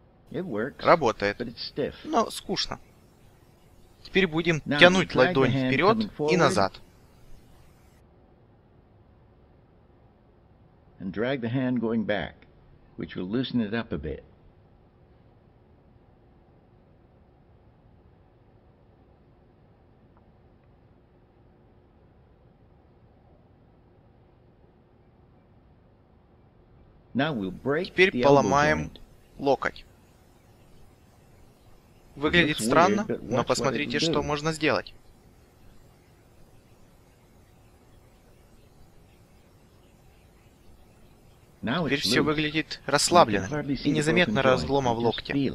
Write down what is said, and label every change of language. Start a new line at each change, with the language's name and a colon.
Russian: Работает, но скучно. Теперь будем тянуть ладонь вперед и назад.
English: And drag the hand going back, which will loosen it up a bit. Now we'll break the elbow joint.
Russian: Теперь поломаем локоть. Выглядит странно, но посмотрите, что можно сделать. Теперь все выглядит расслабленно и незаметно разлома в локте.